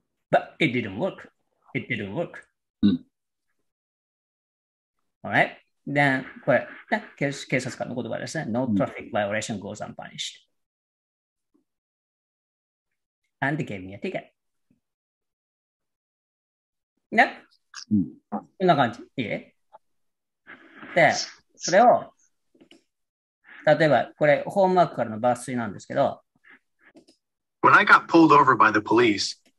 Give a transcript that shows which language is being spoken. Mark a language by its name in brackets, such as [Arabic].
[English] But it didn't work. It didn't work.、 [Japanese] うん、 [English] All right. Then, [Japanese] これ、ね、警察官の言葉ですね。 [English] No traffic violation goes unpunished.、うん、And they gave me a ticket. [Japanese] ね、うん、こんな感じ。いい？で、それを、例えば、これ、ホームワークからの抜粋なんですけど。 [English] When I got pulled over by the police.